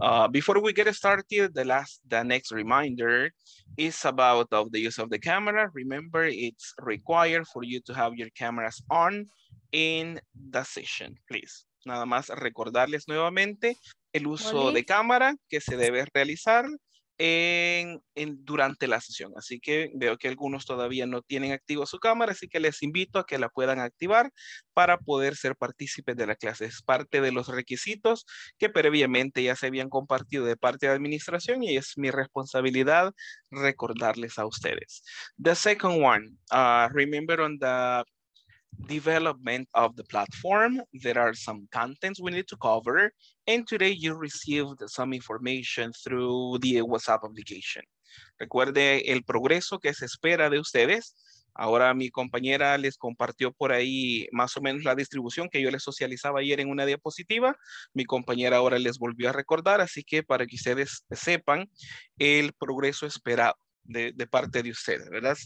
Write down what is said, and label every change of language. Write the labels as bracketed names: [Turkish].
[English] Before we get started, the next reminder is about of the use of the camera. Remember, it's required for you to have your cameras on in the session, please. [Spanish] Nada más recordarles nuevamente el uso de cámara que se debe realizar durante la sesión. Así que veo que algunos todavía no tienen activo su cámara, así que les invito a que la puedan activar para poder ser partícipes de la clase. Es parte de los requisitos que previamente ya se habían compartido de parte de administración y es mi responsabilidad recordarles a ustedes. [English] The second one, remember on the development of the platform, there are some contents we need to cover, and today you received some information through the WhatsApp application. [Spanish] Recuerde el progreso que se espera de ustedes. Ahora mi compañera les compartió por ahí más o menos la distribución que yo les socializaba ayer en una diapositiva. Mi compañera ahora les volvió a recordar, así que para que ustedes sepan el progreso esperado de parte de ustedes, ¿verdad?